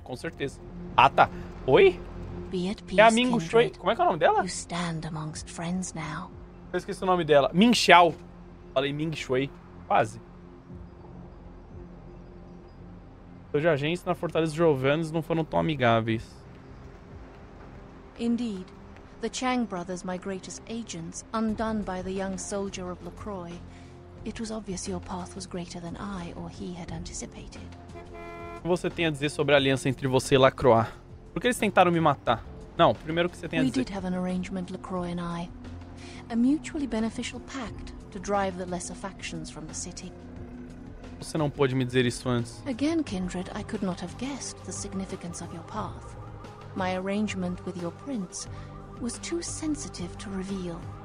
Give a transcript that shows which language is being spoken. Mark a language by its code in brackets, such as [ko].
[pt] Com certeza. Ah, tá. Oi? É a Mingo Shui. Como é que é o nome dela? Eu esqueci o nome dela. Ming Xiao. Falei Ming Shui. Quase. Os agentes na Fortaleza de Jovanes não foram tão amigáveis. [en] Indeed, the Chang brothers, my greatest agents, undone by the young soldier of LaCroix. It was obvious your path was greater than I or he had anticipated. [pt] O que você tem a dizer sobre a aliança entre você e LaCroix? Por que eles tentaram me matar? Não, primeiro que você tem a dizer. [en] We did have an arrangement, LaCroix and I. A mutually beneficial pact to drive the lesser factions from the city. [pt] Você não pôde me dizer isso antes. [en] Again, Kindred, I could not have guessed the significance of your path. My arrangement with your prince was too sensitive to reveal.